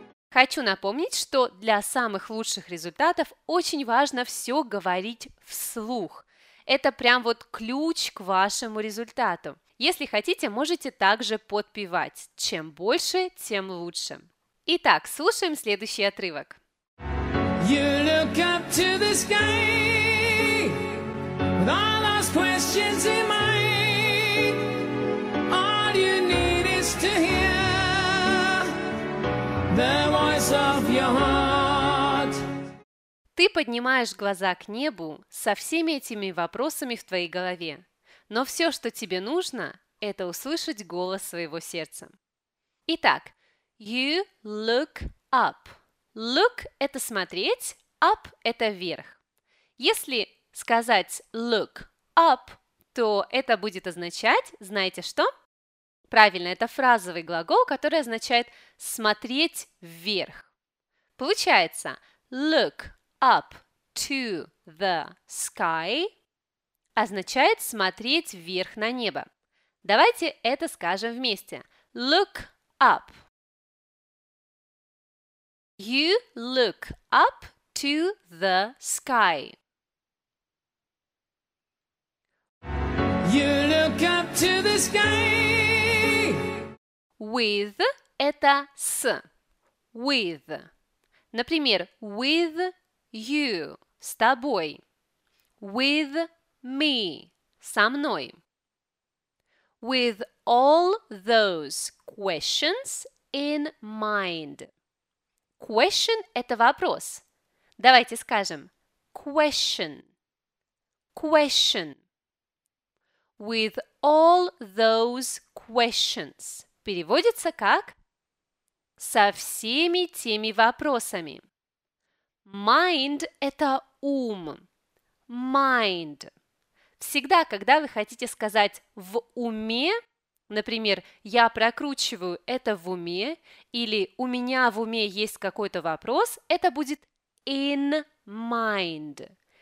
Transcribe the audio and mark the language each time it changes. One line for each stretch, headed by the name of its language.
Russian: Хочу напомнить, что для самых лучших результатов очень важно все говорить вслух. Это прям вот ключ к вашему результату. Если хотите, можете также подпевать. Чем больше, тем лучше. Итак, слушаем следующий отрывок.
English: You look up to the sky with all those questions in mind. All you need is to hear the voice of your heart.
Russian: Ты поднимаешь глаза к небу со всеми этими вопросами в твоей голове. Но все, что тебе нужно, это услышать голос своего сердца.
English: Итак, you look up.
Russian: Look – это смотреть, up – это вверх. Если сказать look up, то это будет означать, знаете что? Правильно, это фразовый глагол, который означает «смотреть вверх». Получается
English: «look up to the sky»
Russian: означает «смотреть вверх на небо». Давайте это скажем вместе.
English: «Look up». You look up to the sky. You look up to the sky. With – это с. With.
Russian: Например,
English: with you
Russian: – с тобой.
English: With me
Russian: – со мной.
English: With all those questions in mind.
Russian: Question – это вопрос. Давайте скажем question.
English: Question. With all those questions.
Russian: Переводится как «со всеми теми вопросами».
English: Mind – это ум. Mind.
Russian: Всегда, когда вы хотите сказать «в уме», например, «я прокручиваю это в уме» или «у меня в уме есть какой-то вопрос», это будет in mind.